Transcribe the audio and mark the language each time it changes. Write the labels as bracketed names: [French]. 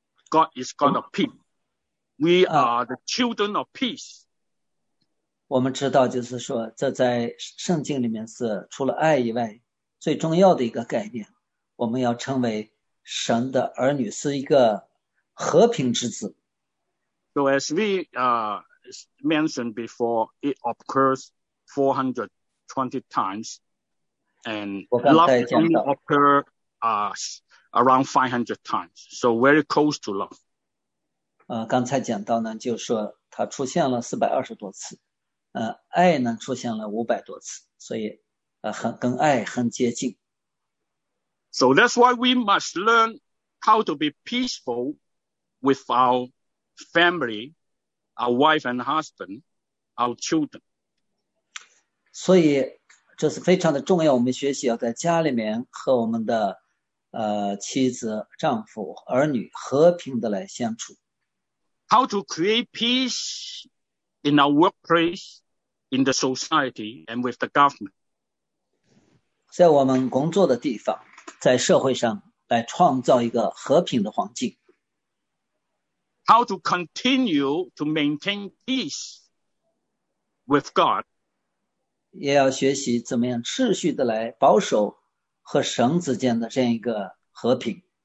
[English] God is God of peace. We are the children of peace. [Chinese] 我们知道就是说这在圣经里面是除了爱以外最重要的一个概念，我们要称为神的儿女，是一个和平之子。 [English] So as we mentioned before, it occurs 420 times and love only occurs around 500 times, so very close to love. [Chinese] 刚才讲到呢，就是说它出现了420多次，爱呢出现了500多次，所以跟爱很接近。 [English] So that's why we must learn how to be peaceful with our family, our wife and husband, our children. [Chinese] 所以这是非常的重要，我们学习要在家里面和我们的妻子、丈夫、儿女和平的来相处。 [English] How to create peace in our workplace. In the society and with the government. [Chinese] 在我们工作的地方，在社会上来创造一个和平的环境。 [English] How to continue to maintain peace with God. [Chinese] 也要学习怎么样持续的来保守和神之间的这样一个和平。